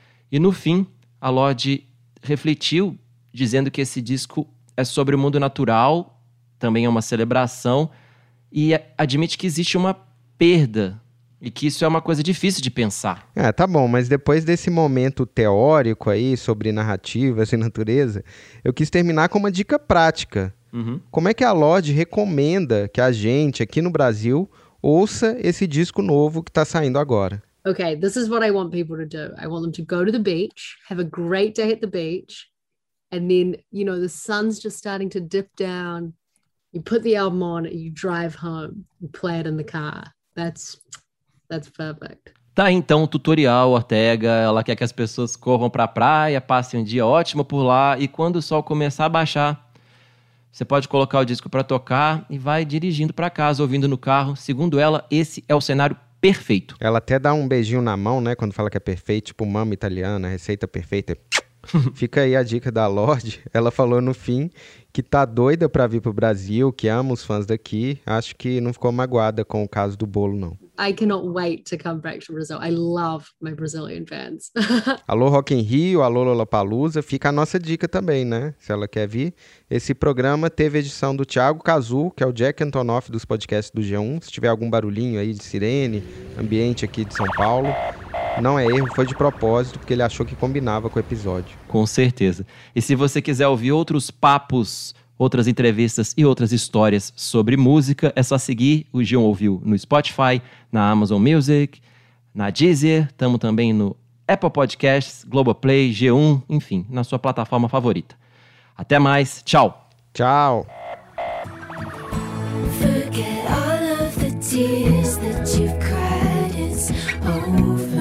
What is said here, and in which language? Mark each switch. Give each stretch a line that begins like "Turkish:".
Portuguese: E no fim, a Lorde refletiu, dizendo que esse disco é sobre o mundo natural, também é uma celebração, e admite que existe uma perda, e que isso é uma coisa difícil de pensar. É, tá bom, mas depois desse momento teórico aí, sobre narrativas e natureza, eu quis terminar com uma dica prática. Uhum. Como é que a Lorde recomenda que a gente, aqui no Brasil, ouça esse disco novo que está saindo agora?
English: Ok, this is what I want people to do. I want them to go to the beach, have a great day at the beach, and then, you know, the sun's just starting to dip down, you put the album on, you drive home, you play it in the car. That's perfect.
Portuguese: Tá, então, tutorial, Ortega. Ela quer que as pessoas corram pra praia, passem um dia ótimo por lá, e quando o sol começar a baixar, você pode colocar o disco pra tocar e vai dirigindo pra casa, ouvindo no carro. Segundo ela, esse é o cenário perfeito. Ela até dá um beijinho na mão, né? Quando fala que é perfeito, tipo mama italiana, receita perfeita. Fica aí a dica da Lorde. Ela falou no fim que tá doida pra vir pro Brasil, que ama os fãs daqui. Acho que não ficou magoada com o caso do bolo, não.
English: I cannot wait to come back to Brazil. I love my Brazilian fans.
Portuguese: Alô, Rock in Rio, alô, Lollapalooza. Fica a nossa dica também, né? Se ela quer vir. Esse programa teve edição do Thiago Cazu, que é o Jack Antonoff dos podcasts do G1. Se tiver algum barulhinho aí de sirene, ambiente aqui de São Paulo, não é erro, foi de propósito, porque ele achou que combinava com o episódio. Com certeza. E se você quiser ouvir outros papos, outras entrevistas e outras histórias sobre música, é só seguir o G1 Ouviu no Spotify, na Amazon Music, na Deezer, estamos também no Apple Podcasts, Globoplay, G1, enfim, na sua plataforma favorita. Até mais, tchau! Tchau!
English: Forget all of the tears that you've cried. It's over.